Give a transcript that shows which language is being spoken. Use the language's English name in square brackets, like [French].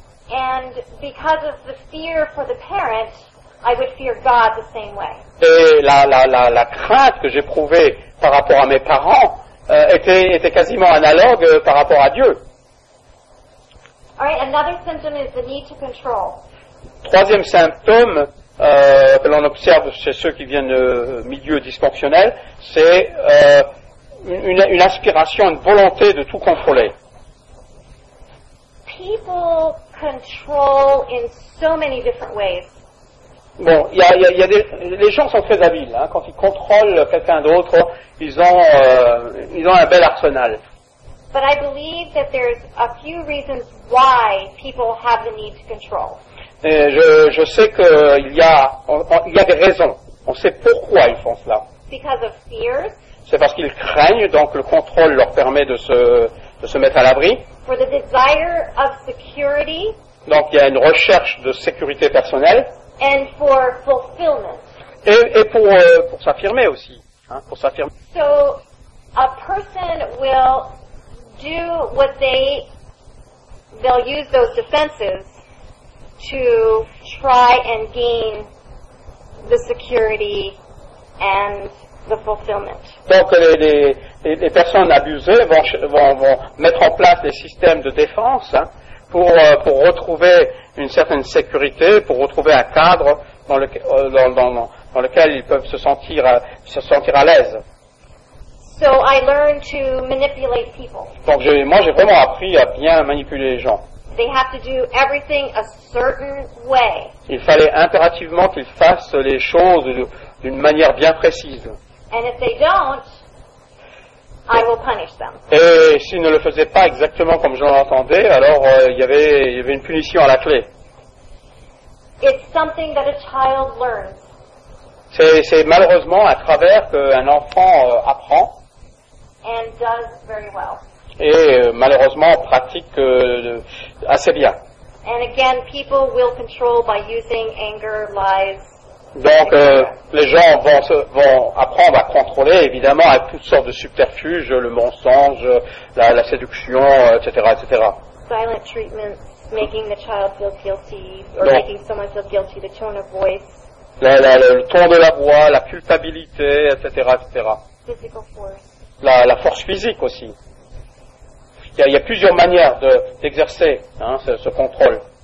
[English] And because of the fear for the parent, I would fear God the same way. [French] Et la crainte que j'éprouvais par rapport à mes parents était quasiment analogue par rapport à Dieu. [English] All right, another symptom is the need to control. [French] Troisième symptôme. Que l'on observe chez ceux qui viennent de milieux dysfonctionnels, c'est une aspiration, une volonté de tout contrôler. [English] People control in so many different ways. [French] Bon, les gens sont très habiles, hein, quand ils contrôlent quelqu'un d'autre, ils ont un bel arsenal. [English] But I believe that there's a few reasons why people have the need to control. [French] Et je sais qu'il y a des raisons. On sait pourquoi ils font cela. [English] Because of fears. [French] C'est parce qu'ils craignent, donc le contrôle leur permet de se mettre à l'abri. [English] For the desire of security. [French] Donc il y a une recherche de sécurité personnelle. [English] And for fulfillment. [French] Et pour s'affirmer aussi. Hein, pour s'affirmer. [English] So a person will do what they'll use those defenses. To try and gain the security and the fulfillment. [French] Donc les personnes abusées vont mettre en place des systèmes de défense pour retrouver une certaine sécurité, pour retrouver un cadre dans lequel ils peuvent se sentir à l'aise. [English] So I learned to manipulate people. [French] Donc j'ai vraiment appris à bien manipuler les gens. [English] They have to do everything a certain way. [French] Il fallait impérativement qu'ils fassent les choses d'une manière bien précise. [English] And if they don't, I will punish them. [French] Et s'ils ne le faisaient pas exactement comme je l'entendais, alors il y avait une punition à la clé. [English] It's something that a child learns. [French] C'est malheureusement à travers qu'un enfant apprend. [English] And does very well. [French] Et malheureusement pratique assez bien. [English] And again, people will control by using anger, lies. [French] Donc les gens vont apprendre à contrôler évidemment avec toutes sortes de subterfuges, le mensonge, la séduction, etc., etc. [English] Silent treatment, making the child feel guilty, or donc, making someone feel guilty, the tone of voice. [French] Le ton de la voix, la culpabilité, etc., etc. [English] Physical force. [French] La force physique aussi. Il y a plusieurs manières d'exercer ce contrôle.